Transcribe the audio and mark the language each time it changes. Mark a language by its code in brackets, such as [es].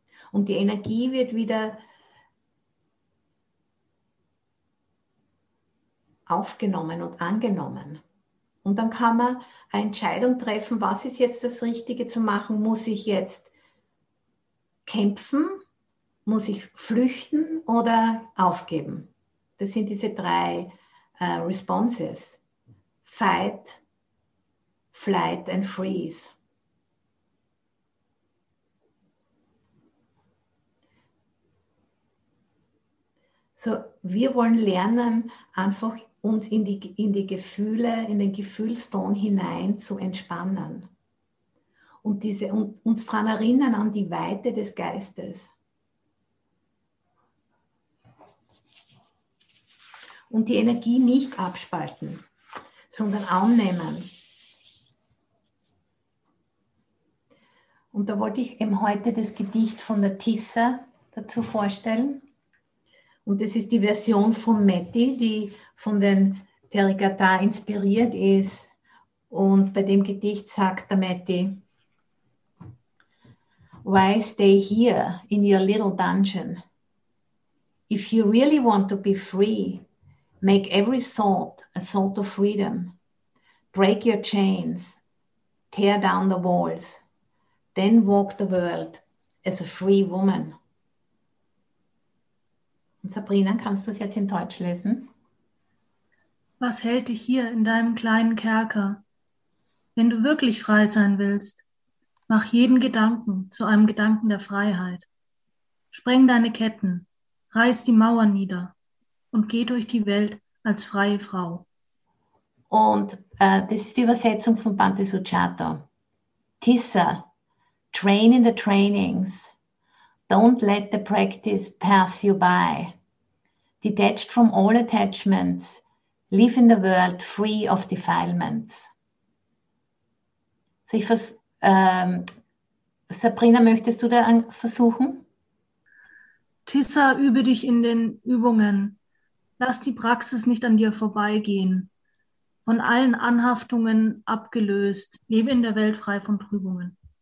[de] Und die Energie wird wieder aufgenommen und angenommen. Und dann kann man eine Entscheidung treffen, was ist jetzt das Richtige zu machen? Muss ich jetzt kämpfen? Muss ich flüchten oder aufgeben? Das sind diese drei Responses. [en] Fight, flight and freeze. [de] So, wir wollen lernen, einfach uns in die Gefühle, in den Gefühlston hinein zu entspannen. Und diese, und uns daran erinnern an die Weite des Geistes. Und die Energie nicht abspalten, sondern annehmen. Und da wollte ich eben heute das Gedicht von der Tissa dazu vorstellen. Und das ist die Version von Metti, die von den Therigata inspiriert ist. Und bei dem Gedicht sagt der Metti: [en] Why stay here in your little dungeon? If you really want to be free, make every thought a thought of freedom. Break your chains, tear down the walls, then walk the world as a free woman. [de] Sabrina, kannst du es jetzt in Deutsch lesen? Was hält dich hier in deinem kleinen Kerker? Wenn du wirklich frei sein willst, mach jeden Gedanken zu einem Gedanken der Freiheit. Spreng deine Ketten, reiß die Mauern nieder und geh durch die Welt als freie Frau. Und das ist die Übersetzung von Bhante Suchato. [en] Tissa, train in the trainings. Don't let the practice pass you by. Detached from all attachments, live in the world free of defilements. [de] So ich vers Sabrina, möchtest du da versuchen? Tissa, übe dich in den Übungen. Lass die Praxis nicht an dir vorbeigehen. Von allen Anhaftungen abgelöst. Lebe in der Welt frei von Trübungen.